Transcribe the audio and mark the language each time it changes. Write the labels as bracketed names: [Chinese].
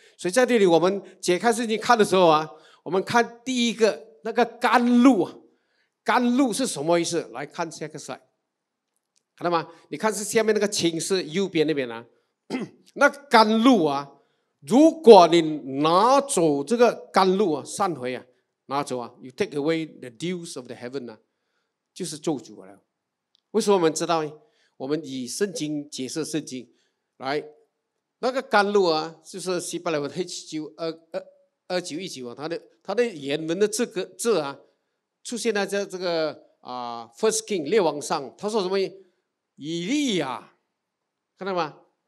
[Chinese] 所以在这里我们解开圣经看的时候啊，我们看第一个那个甘露啊，甘露是什么意思？来看下个 slide， 看到吗？你看是下面那个青色右边那边啊，那甘露啊，如果你拿走这个甘露啊，上回啊。拿走啊 [English] ！You take away the dews of the heaven [Chinese] 呢、啊，就是咒诅了。为什么我们知道呢？我们以圣经解释圣经，来，那个甘露啊，就是希伯来文 H9219 啊，它的原文的这个字啊，出现在这个First King 列王上，他说什么？以利亚，看到吗？